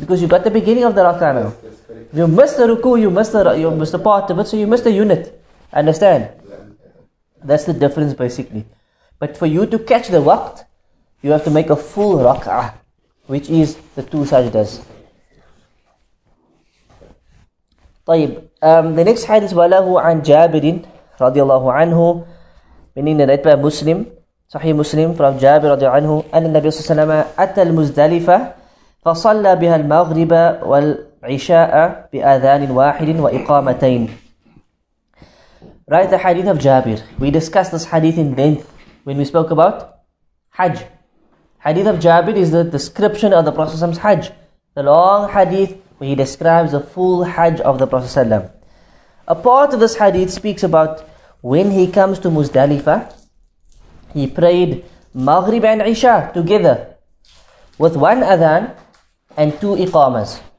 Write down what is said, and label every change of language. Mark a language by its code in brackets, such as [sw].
[en] Because you got the beginning of the raka'ah now. Yes, you miss the ruku, you miss the part of it, so you miss the unit. Understand? That's the difference, basically. But for you to catch the waqt, you have to make a full raka'ah, which is the two sajdas. [ar] طيب [en] the next hadith [ar] وله عن جابر رضي الله عنه من إن رأيت بقى مسلم صحيح مسلم from جابر رضي الله عنه أن النبي صلى الله عليه وسلم أتى المزدلفة فصلى بها المغرب والعشاء بأذان واحد وإقامتين. [en] Write the hadith of Jabir. We discussed this hadith in length when we spoke about Hajj. Hadith of Jabir is the description of the Prophet's Hajj. The long hadith he describes the full Hajj of the Prophet ﷺ. A part of this hadith speaks about when he comes to Muzdalifah, he prayed Maghrib and Isha together with one adhan and two iqamas.